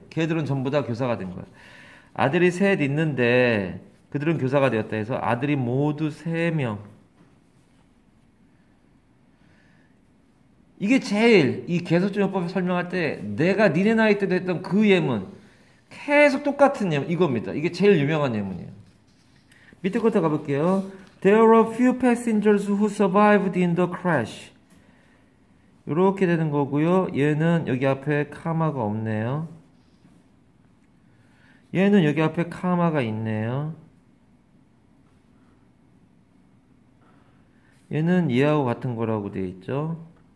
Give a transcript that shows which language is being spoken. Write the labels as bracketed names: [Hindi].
[Korean] 걔들은 전부 다 교사가 된 거야. 아들이 셋 있는데 그들은 교사가 되었다 해서 아들이 모두 세 명. 이게 제일 이 계속지어법을 설명할 때 내가 니네 나이 때도 했던 그 예문 계속 똑같은 예문 이겁니다. 이게 제일 유명한 예문이에요. 밑에 것부터 가볼게요. [English] There are a few passengers who survived in the crash. [Korean] 이렇게 되는 거고요. 얘는 여기 앞에 카마가 없네요. 얘는 여기 앞에 카마가 있네요. 얘는 얘하고 같은 거라고 되어 있죠.